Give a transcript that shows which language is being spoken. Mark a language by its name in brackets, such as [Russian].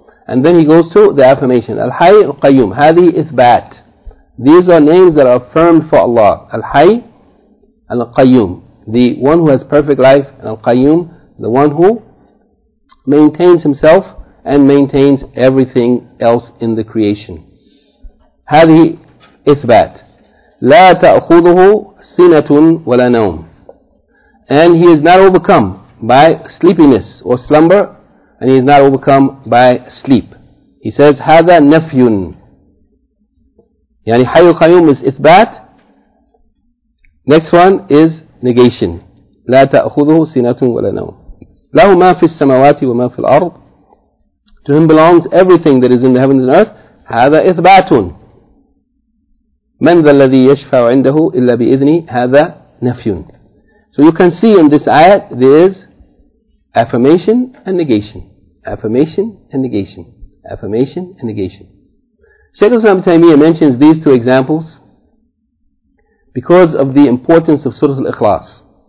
[English] And then he goes to the affirmation. Al-hayyu qayyum. [Arabic] Hadhi ithbat. [English] These are names that are affirmed for Allah. Al-hayyu al-qayyum. The one who has perfect life, al-qayyum. The one who maintains himself and maintains everything else in the creation. [Arabic] هذه إثبات لا تأخذه سنة ولا نوم. [English] And he is not overcome by sleepiness or slumber, and he is not overcome by sleep. He says [Arabic] هذا نفي. يعني حي القيوم is إثبات. [English] Next one is negation. [Arabic] لا تأخذه سنة ولا نوم. له ما في السماوات وما في الأرض. [English] To him belongs everything that is in the heavens and earth. [Arabic] هذا إثباتٌ. من ذا الذي يشفع عنده إلا بإذني. هذا نفيٌ. [English] So you can see in this ayat there is affirmation and negation. Affirmation and negation. Affirmation and negation. Shaykh Islam Taymiyyah mentions these two examples because of the importance of Surah Al-Ikhlas.